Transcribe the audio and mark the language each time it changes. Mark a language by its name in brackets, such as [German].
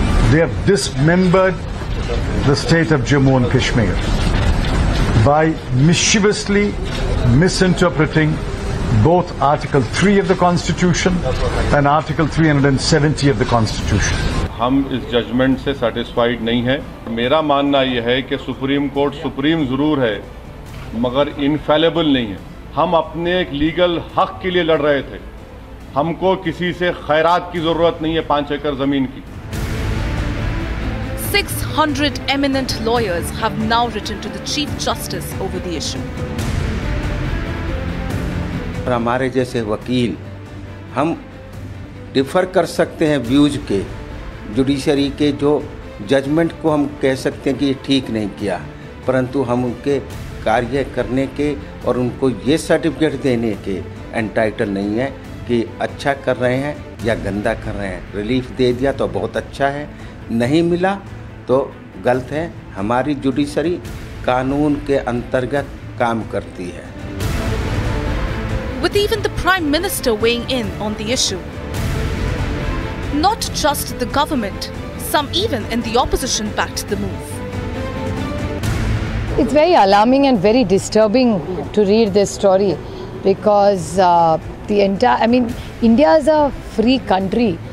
[English] They have dismembered the state of Jammu and Kashmir by mischievously misinterpreting both Article 3 of the Constitution and Article 370 of the Constitution. [Hindi] हम इस judgement से satisfied नहीं है। मेरा मानना यह है कि सुप्रीम कोर्ट सुप्रीम जरूर है मगर इनफेलेबल नहीं है। हम अपने एक लीगल हक के लिए लड़ रहे थे, हमको किसी से खैरात की जरूरत नहीं है 5 acre जमीन की। [English] 600 eminent lawyers have now written to the Chief Justice over the issue. [Hindi] हमारे जैसे वकील हम डिफर कर सकते हैं व्यूज के, जुडिशरी के जो जजमेंट को हम कह सकते हैं कि ये ठीक नहीं किया, परंतु हम उनके कार्य करने के और उनको ये सर्टिफिकेट देने के एंटाइटल नहीं है कि अच्छा कर रहे हैं या गंदा कर रहे हैं। रिलीफ दे दिया तो बहुत अच्छा है, नहीं मिला तो गलत है। हमारी जुडिशरी कानून के अंतर्गत काम करती है। [English] With even the Prime Minister weighing in on the issue. not just the government. Some even in the opposition backed the move. It's very alarming and very disturbing to read this story, because India is a free country.